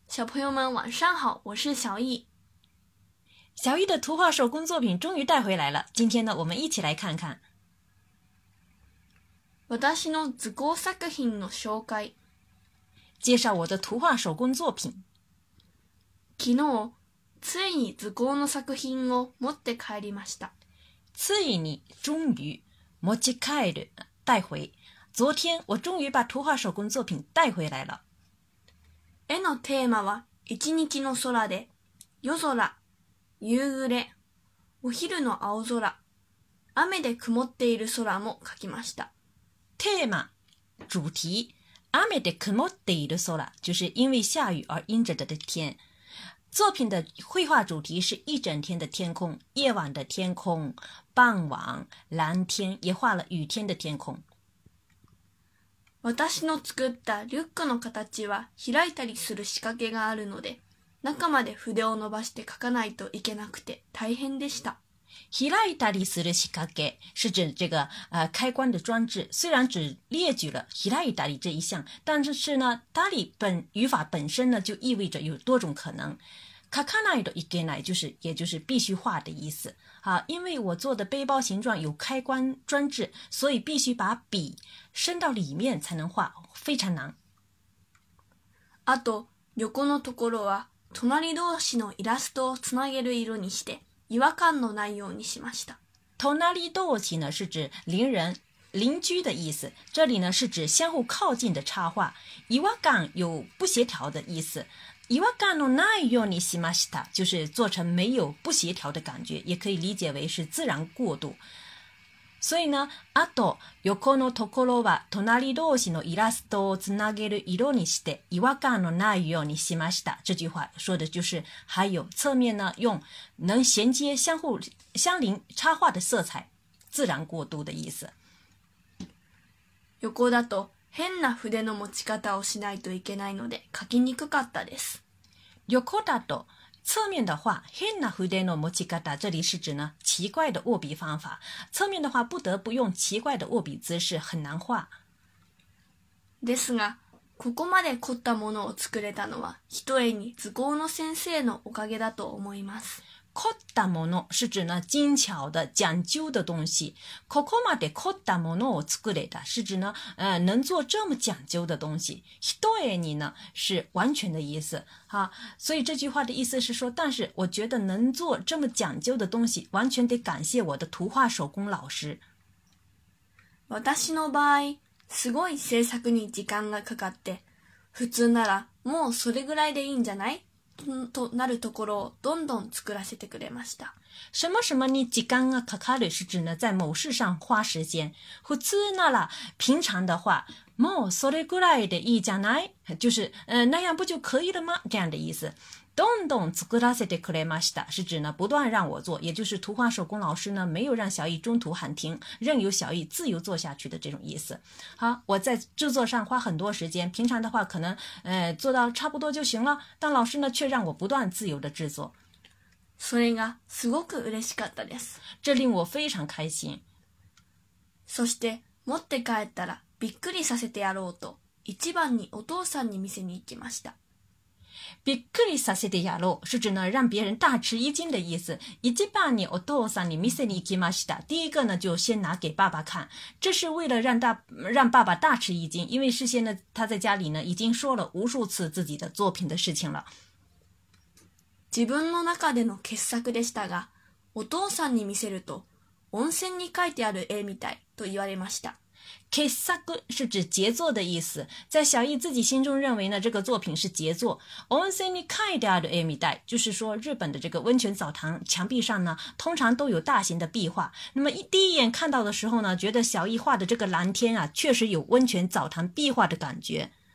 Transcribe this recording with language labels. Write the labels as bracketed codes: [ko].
[zh] 小朋友们晚上好，我是小易。小易的图画手工作品终于带回来了，今天呢我们一起来看看。 [ja] 私の図工作品の紹介。 [zh] 介绍我的图画手工作品。 [ja] 昨日ついに図工の作品を持って帰りました。ついに [zh] 终于 [ja] 持ち帰る [zh] 带回。昨天我终于把图画手工作品带回来了。 [ja] 絵のテーマは一日の空で、夜空、夕暮れ、お昼の青空、雨で曇っている空も描きました。 [zh] テーマ主题 [ja] 雨で曇っている空， [zh] 就是因为下雨而阴着的天。作品的绘画主题是一整天的天空，夜晚的天空，傍晚蓝天，也画了雨天的天空。 [ja] 私の作ったリュックの形は開いたりする仕掛けがあるので、中まで筆を伸ばして描かないといけなくて大変でした。開いたりする仕掛け [zh] 是指这个开关的装置，虽然只列举了開いたり这一项，但是呢たり本语法本身呢就意味着有多种可能。 [ja] 描かないといけない [zh] 就是也就是必须画的意思。好，因为我做的背包形状有开关装置，所以必须把笔伸到里面才能画，非常难。 [ja] あと横のところは隣同士のイラストをつなげる色にして違和感のないようにしました。 [zh] 隣同士呢是指邻人、邻居的意思，这里呢是指相互靠近的插画。違和感有不协调的意思。 [ja] 違和感のないようにしました， [zh] 就是做成没有不协调的感觉，也可以理解为是自然过渡。所以呢， [ja] あと横のところは隣同士のイラストをつなげる色にして違和感のないようにしました。 [zh] 这句话说的就是，还有侧面呢，用能衔接相互相邻插画的色彩，自然过渡的意思。 [ja] 横だと変な筆の持ち方をしないといけないので書きにくかったです。横だと [zh] 侧面的话， [ja] 変な筆の持ち方， [zh] 这里是指呢奇怪的握笔方法。侧面的话，不得不用奇怪的握笔姿势，很难画。 [ja] ですが、ここまで凝ったものを作れたのは、ひとえに図工の先生のおかげだと思います。 [zh] 凝ったもの是指呢精巧的、讲究的东西。 [ja] ここまで凝ったものを作れた [zh] 是指呢能做这么讲究的东西。ひとえに呢是完全的意思。所以这句话的意思是说，但是我觉得能做这么讲究的东西，完全得感谢我的图画手工老师。 [ja] 私の場合、すごい制作に時間がかかって、普通ならもうそれぐらいでいいんじゃない？となるところをどんどん作らせてくれました。 [zh] 什么什么に時間がかかる是指呢在某事上花时间。 [ja] 普通なら [zh] 平常的话， [ja] もうそれぐらいでいいじゃない？ [zh] 就是那样不就可以了吗？这样的意思。 [ja] どんどん作らせてくれました [zh] 是指呢不断让我做，也就是图画手工老师呢没有让小易中途喊停，任由小易自由做下去的这种意思。好，我在制作上花很多时间，平常的话可能做到差不多就行了，但老师呢却让我不断自由的制作。 [ja] それがすごく嬉しかったです。 [zh] 这令我非常开心。 [ja] そして持って帰ったらびっくりさせてやろうと一番にお父さんに見せに行きました。びっくりさせてやろう [zh] 是指呢让别人大吃一惊的意思。 [ja] 一番にお父さんに見せに行きました。 [zh] 第一个呢就先拿给爸爸看。这是为了让爸爸大吃一惊，因为事先呢他在家里呢已经说了无数次自己的作品的事情了。 [ja] 自分の中での傑作でしたが、お父さんに見せると温泉に描いてある絵みたいと言われました。 [zh] 傑作是指杰作的意思，在小易自己心中认为呢，这个作品是杰作。 [ja] 温泉に描いてある絵みたい， [zh] 就是说日本的这个温泉澡堂墙壁上呢，通常都有大型的壁画。那么第一眼看到的时候呢，觉得小易画的这个蓝天啊，确实有温泉澡堂壁画的感觉。